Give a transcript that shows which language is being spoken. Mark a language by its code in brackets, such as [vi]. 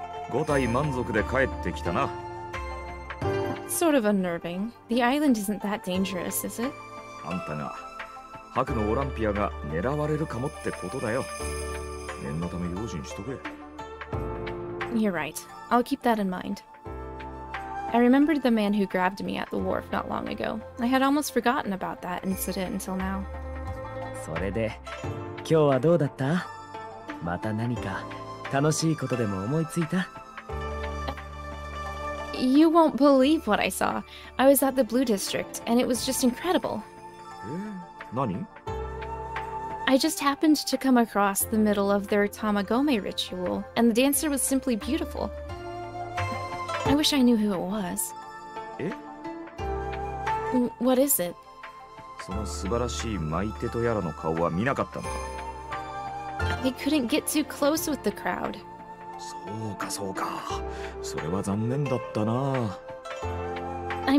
[ja] 5体満足で帰ってきたな。 [en] Sort of unnerving. The island isn't that dangerous, is it? [ja] あんたが白のオランピアが狙われるかもってことだよ。念のため用心しとけ。 [en] You're right. I'll keep that in mind. I remembered the man who grabbed me at the wharf not long ago. I had almost forgotten about that incident until now. [ja] それで、今日はどうだった?また何か楽しいことでも思いついた? [en] You won't believe what I saw. I was at the Blue District, and it was just incredible. [ja] Nani? [en] I just happened to come across the middle of their Tamagome ritual, and the dancer was simply beautiful. I wish I knew who it was. Eh? What is it? [ja] その素晴らしい舞い手とやらの顔は見なかったのか? [en] I couldn't get too close with the crowd. [ja] そうか、そうか。それは残念だったな。I